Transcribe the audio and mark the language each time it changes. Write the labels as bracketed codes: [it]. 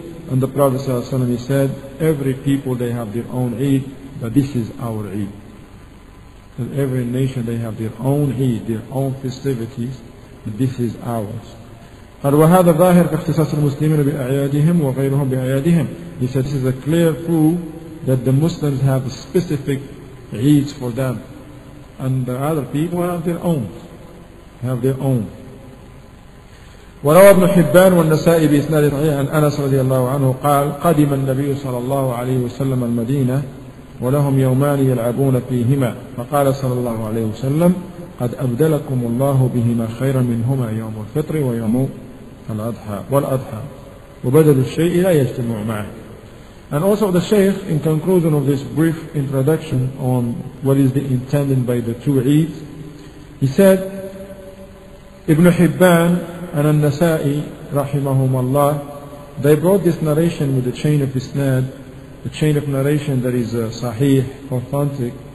[en] And the Prophet ﷺ, he said, every people they have their own Eid, but this is our Eid. And every nation they have their own Eid, their own festivities, but this is ours. [ar] قال وهذا ظاهر اختصاص المسلمين بأعيادهم وغيرهم بأعيادهم. [en] He said, this is a clear proof that the Muslims have specific Eids for them. And the other people have their own. [ar] وروى ابن حبان والنسائي بإسناد صحيح عن أنس رضي الله عنه قال قدم النبي صلى الله عليه وسلم المدينة ولهم يومان يلعبون فيهما فقال صلى الله عليه وسلم قد أبدلكم الله بهما خيرا منهما يوم الفطر ويوم الأضحى والأضحى وبدل الشيء لا يجتمع معه. [en] And also the Shaykh, in conclusion of this brief introduction on what is the intended by the two Eids, he said, Ibn Hibban and al-Nasa'i, rahimahum Allah, they brought this narration with the chain of isnad, the chain of narration that is sahih, authentic,